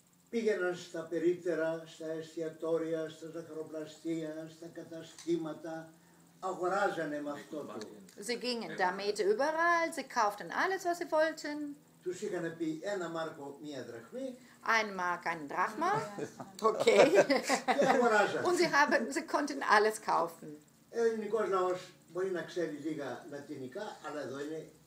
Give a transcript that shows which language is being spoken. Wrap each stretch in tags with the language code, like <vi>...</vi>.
<el>Πήγαιναν στα περίπτερα, στα εστιατόρια, στα ζαχαροπλαστεία, στα καταστήματα, αγοράζανε με αυτό το.</el> <de>Sie gingen damit überall, sie kauften alles, was sie wollten.</de> <el>Τους είχαν πει ένα μάρκο, μία δραχμή.</el> <de>Ein Mark, ein Drachma. Okay. Und sie konnten alles kaufen.</de> <el>Ελληνικός λαός μπορεί να ξέρει λίγα λατινικά, αλλά εδώ είναι.</el>